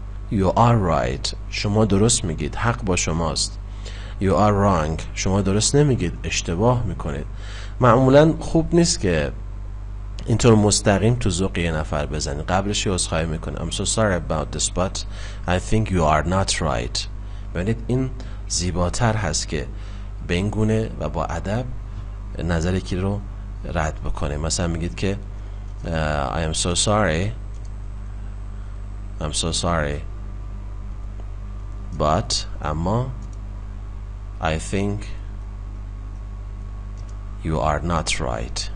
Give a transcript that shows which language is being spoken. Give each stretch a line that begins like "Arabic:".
English: You are right
Persian: شما درست میگید، حق با شماست.
English: You are wrong
Persian: شما درست نمیگید، اشتباه میکنید. معمولا خوب نیست که اینطور مستقیم تو ذوق یه نفر بزنی، قبلش یه عذرخواهی میکنی.
English: I'm so sorry about this but I think you are not right.
Persian: ببینید این زیباتر هست که به این گونه و با ادب نظر یکی رو رد بکنه. مثلا میگید که
English: I'm so sorry but
Persian: اما
English: I think you are not right.